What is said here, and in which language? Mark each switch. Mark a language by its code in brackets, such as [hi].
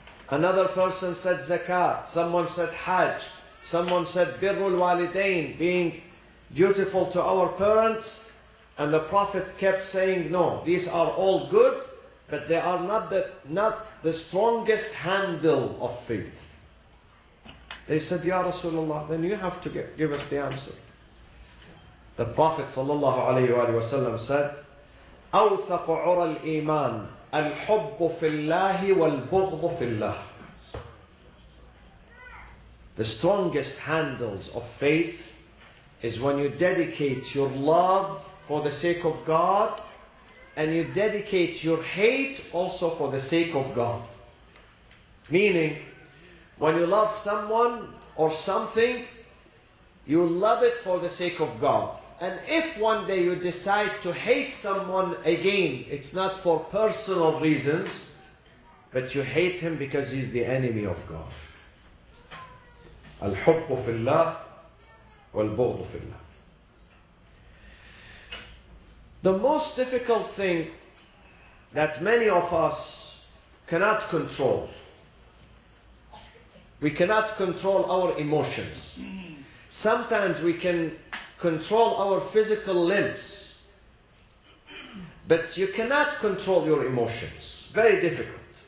[en] Another person said, zakat. Someone said, hajj. Someone said, birrul walidain, being dutiful to our parents. And the Prophet kept saying, no, these are all good, but they are not the strongest handle of faith. They said, Ya Rasulullah, then you have to give us the answer. The Prophet sallallahu alayhi wa sallam said, [ar] أَوْثَقُ عُرَى الْإِيمَانِ الْحُبُّ فِي اللَّهِ [en] وَالْبُغْضُ فِي اللَّهِ. The strongest handles of faith is when you dedicate your love for the sake of God and you dedicate your hate also for the sake of God. Meaning, when you love someone or something, you love it for the sake of God. And if one day you decide to hate someone again, it's not for personal reasons, but you hate him because he's the enemy of God. [ar] الحب في الله والبغض في الله. [en] The most difficult thing that many of us cannot control, we cannot control our emotions. Sometimes we can control our physical limbs, but you cannot control your emotions. Very difficult.